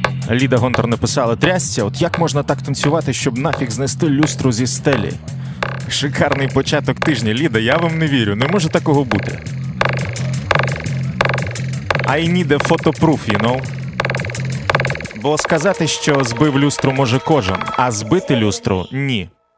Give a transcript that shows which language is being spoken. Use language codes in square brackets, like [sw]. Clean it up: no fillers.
[uk] Ліда Гонтар написала: «Трястя, от як можна так танцювати, щоб нафіг знести люстру зі стелі?» Шикарний початок тижня, Ліда, я вам не вірю, не може такого бути. [en] I need a photo proof, you know? [uk] Бо сказати, що збив люстру, може кожен, а збити люстру – ні.